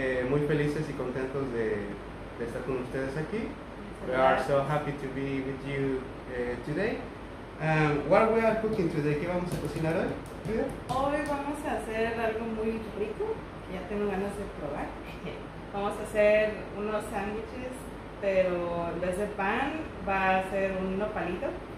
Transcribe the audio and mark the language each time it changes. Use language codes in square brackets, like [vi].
[es] Muy felices y contentos de estar con ustedes aquí. [en] We are so happy to be with you today. What we are cooking today? [es] ¿Qué vamos a cocinar hoy? Hoy vamos a hacer algo muy rico, ya tengo ganas de probar. Vamos a hacer unos sándwiches, pero en vez de pan va a ser un nopalito.